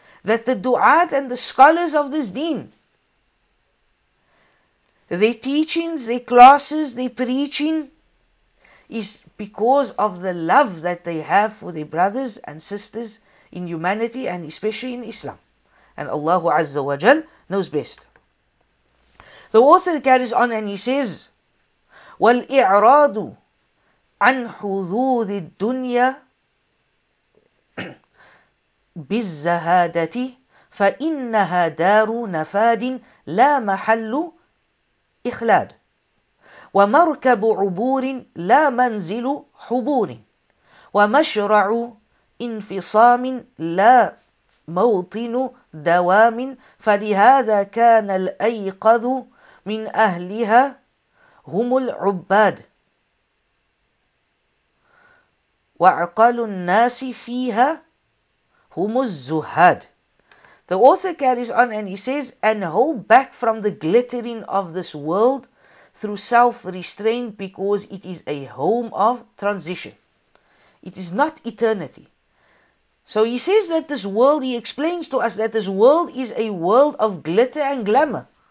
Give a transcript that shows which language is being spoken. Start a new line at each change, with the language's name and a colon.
English: That the du'at and the scholars of this deen, their teachings, their classes, their preaching, is because of the love that they have for their brothers and sisters in humanity and especially in Islam. And Allah Azza wa Jal knows best. The author carries on and he says,
Arabic: وَالْإِعْرَادُ عَنْ حُذُوذِ الدُّنْيَا بِالزَّهَادَةِ فَإِنَّهَا دَارُ نَفَادٍ لَا مَحَلُّ إِخْلَادٍ وَمَرْكَبُ عُبُورٍ لَا مَنْزِلُ حُبُورٍ وَمَشْرَعُ إِنْفِصَامٍ لَا مَوْطِنُ دَوَامٍ فَلِهَذَا كَانَ الْأَيْقَظُ مِنْ أَهْلِهَا هُمُ الْعُبَّادِ وَعْقَلُ النَّاسِ فِيهَا هُمُ الزُّهَّادِ.
English: The author carries on and he says, and hold back from the glittering of this world through self-restraint, because it is a home of transition. It is not eternity. So he says that this world, he explains to us that this world is a world of glitter and glamour.